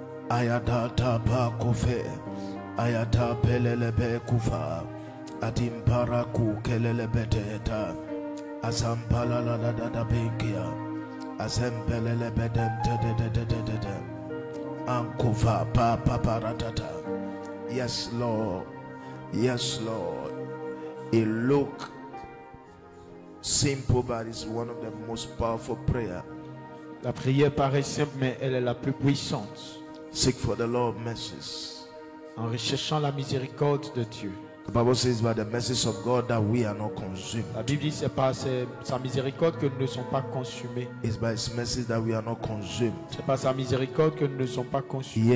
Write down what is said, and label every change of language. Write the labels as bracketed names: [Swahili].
[English] Ayada tapa kufe, ayada pelelebe kufa, atimpara kukelelebete ata asampala la la la la bingia asempelelebe dem de de de de de de de. Ankova pa pa paratata. Yes, Lord. Yes, Lord. It look simple, but it's one of the most powerful prayer. [French] La prière paraît simple, mais elle est la plus puissante. [English] Seek for the Lord's mercies. [French] En recherchant la miséricorde de Dieu. [English] The Bible says by the mercies of God that we are not consumed. [French] La Bible dit c'est par sa miséricorde que nous ne sommes pas consumés. [English] It's by His mercies that we are not consumed. [French] C'est par sa miséricorde que nous ne sommes pas consumés.